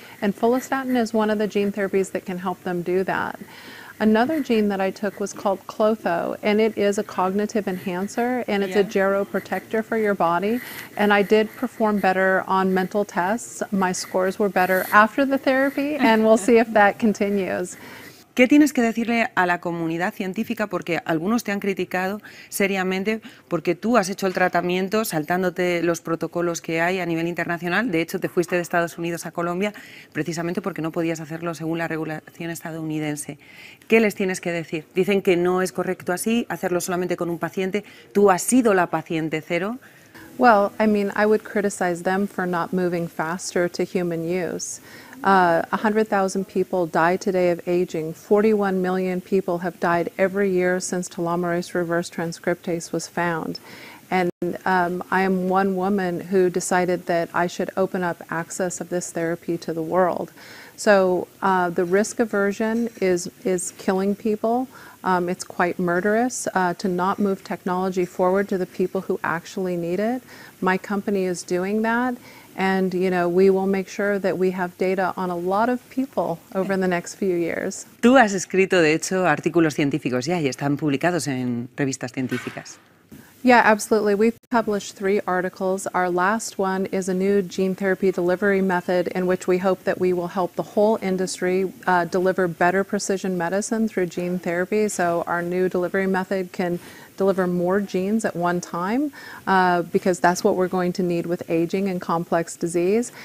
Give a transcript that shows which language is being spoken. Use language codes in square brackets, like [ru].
[en] And follistatin is one of the gene therapies that can help them do that. Another gene that I took was called Clotho, and it is a cognitive enhancer, and it's a geroprotector for your body. And I did perform better on mental tests. My scores were better after the therapy, and we'll see if that continues. [es] ¿Qué tienes que decirle a la comunidad científica? Porque algunos te han criticado seriamente porque tú has hecho el tratamiento saltándote los protocolos que hay a nivel internacional. De hecho, te fuiste de Estados Unidos a Colombia precisamente porque no podías hacerlo según la regulación estadounidense. ¿Qué les tienes que decir? Dicen que no es correcto así, hacerlo solamente con un paciente. Tú has sido la paciente cero. [en] Well, I mean, I would criticize them for not moving faster to human use. 100,000 people die today of aging. 41 million people have died every year since telomerase reverse transcriptase was found. And I am one woman who decided that I should open up access of this therapy to the world. So the risk aversion is killing people. It's quite murderous to not move technology forward to the people who actually need it. My company is doing that. And, you know, we will make sure that we have data on a lot of people over the next few years. [es] Tú has escrito, de hecho, artículos científicos ya y están publicados en revistas científicas. [en] Yeah, absolutely. We've published 3 articles. Our last one is a new gene therapy delivery method in which we hope that we will help the whole industry deliver better precision medicine through gene therapy. So our new delivery method can deliver more genes at one time because that's what we're going to need with aging and complex disease.